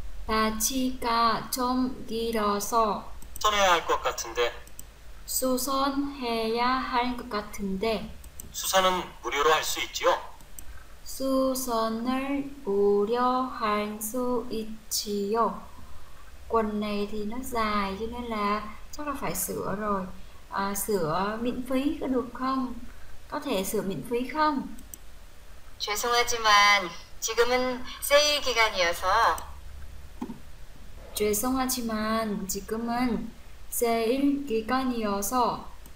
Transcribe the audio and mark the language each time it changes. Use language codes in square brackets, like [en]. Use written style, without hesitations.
[ko] 바지가 좀 길어서 수선해야 할 것 같은데 수선해야 할 것 같은데 수선은 무료로 할 수 있지요? 수선을 무료 할 수 있지요. [vi] 권 này thì nó dài cho nên là chắc là phải sửa rồi. À, sửa miễn phí có được không? Có thể sửa miễn phí không? [ko] 죄송하지만 지금은 세일 기간이어서 죄송하지만 지금은 세일 기간이어서